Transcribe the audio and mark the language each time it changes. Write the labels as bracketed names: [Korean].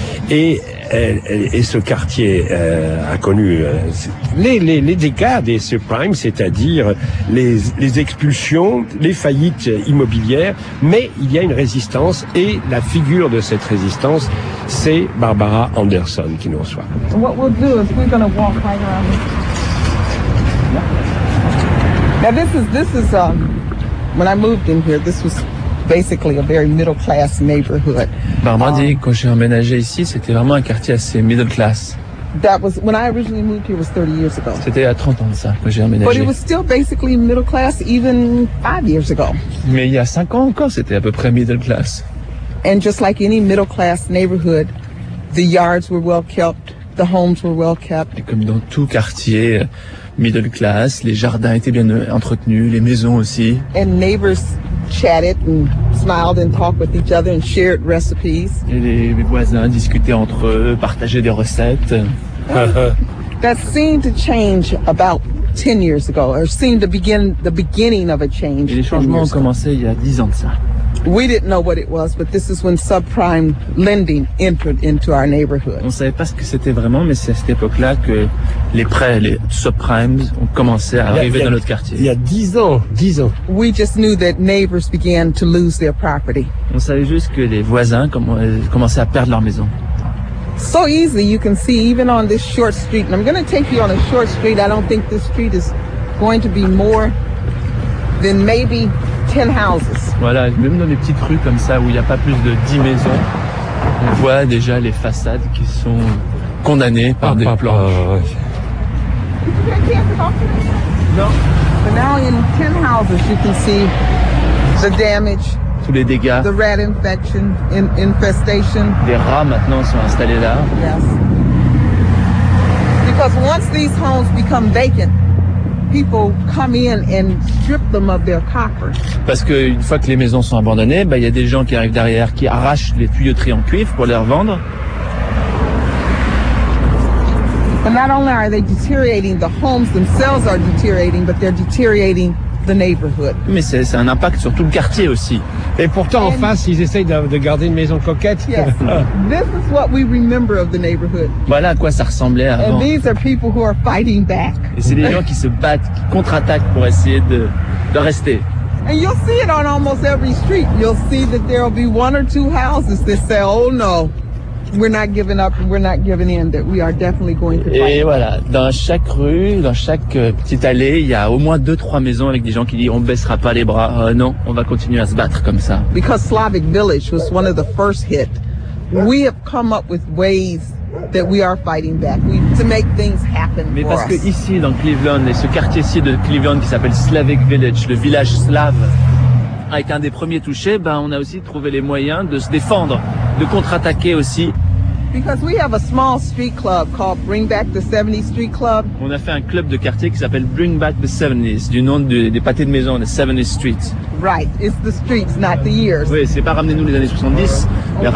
[French] et et ce quartier a connu les dégâts des subprimes, c'est-à-dire les expulsions, les faillites immobilières, mais il y a une résistance et la figure de cette résistance, c'est Barbara Anderson qui nous reçoit. [English] What we'll do is we're going to walk right around. Now this is when I moved in here, this was basically a very middle class neighborhood. [French] Barbara dit quand j'ai emménagé ici, c'était vraiment un quartier assez middle class. [English] That was when I originally moved here was 30 years ago. [French] C'était il y a 30 ans de ça quand j'ai emménagé. [English] But it was still basically middle class even 5 years ago. [French] Mais il y a 5 ans encore, c'était à peu près middle class. [English] And just like any middle class neighborhood, the yards were well kept, the homes were well kept. [French] Et comme dans tout quartier middle class, les jardins étaient bien entretenus, les maisons aussi. [English] And neighbors chatted and smiled and talked with each other and shared recipes. [French] Et les voisins discutaient entre eux, partageaient des recettes. [English] That seemed to change about 10 years ago, or seemed to begin the beginning of a change. [French] Et les changements ont commencé il y a 10 ans de ça. [English] We didn't know what it was, but this is when subprime lending entered into our neighborhood. [French] On savait pas ce que c'était vraiment, mais c'est à cette époque-là que les prêts, les subprimes, ont commencé à arriver dans notre quartier. Il y a 10 ans. [English] We just knew that neighbors began to lose their property. [French] On savait juste que les voisins commençaient à perdre leur maison. [English] so easily. You can see even on this short street, and I'm going to take you on a short street. I don't think this street is going to be more than maybe 10 houses. [French] Voilà, même dans les petites rues comme ça où il n'y a pas plus de 10 maisons, on voit déjà les façades qui sont condamnées par des planches. [English] No. But now in 10 houses you can see the damage. [French] Tous les dégâts. [English] The rat infection, infestation. [French] Des rats maintenant sont installés là. [English] Yes. Because once these homes become vacant, people come in and strip them of their copper. [French] Parce que une fois que les maisons sont abandonnées, bah il y a des gens qui arrivent derrière qui arrachent les tuyauteries en cuivre pour les revendre. [English] And not only are they deteriorating, the homes themselves are deteriorating, but they're deteriorating the neighborhood. [French] Mais c'est un impact sur tout le quartier aussi. Et pourtant, en face, ils essayent de garder une maison coquette. [English] Yes, this is what we remember of the neighborhood. [French] Voilà à quoi ça ressemblait avant. [English] And these are people who are fighting back. [French] Et c'est des gens qui se battent, qui contre-attaquent pour essayer de rester. [English] And you'll see it on almost every street. You'll see that there will be one or two houses that say, oh no. We're not giving up, we're not giving in, that we are definitely going to fight. [French] Et voilà, dans chaque rue, dans chaque petite allée, il y a au moins 2-3 maisons avec des gens qui disent on baissera pas les bras, non, on va continuer à se battre comme ça. [English] Because Slavic Village was one of the first hit, we have come up with ways that we are fighting back, to make things happen. [French] Mais parce que ici, dans Cleveland, et ce quartier-ci de Cleveland qui s'appelle Slavic Village, le village slave, a été un des premiers touchés, ben on a aussi trouvé les moyens de se défendre, de contre-attaquer aussi. [English] Because we have a small street club called Bring Back the 70s Street Club. [French] On a fait un club de quartier qui s'appelle Bring Back the 70s, du nom des pâtés de maison, the 70s Street. [English] Right, it's the streets, not the years. [French] Oui, c'est pas ramenez-nous les années 70, mais okay.